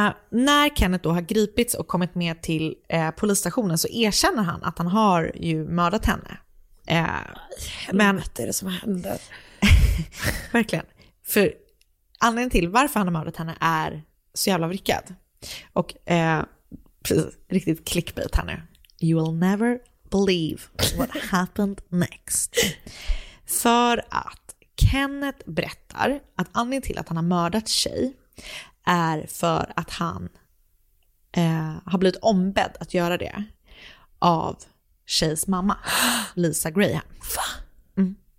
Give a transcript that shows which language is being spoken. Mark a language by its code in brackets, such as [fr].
[sv] När Kenneth då har gripits och kommit med till polisstationen så erkänner han att han har ju mördat henne. Men vad är det som händer? Verkligen. För anledningen till varför han har mördat henne är så jävla vrickad. Och precis, riktigt clickbait här nu. [en] You will never believe what happened next. [sv] För att Kenneth berättar att anledningen till att han har mördat tjej är för att han har blivit ombedd att göra det av tjejs mamma, Lisa Graham. Va? Mm.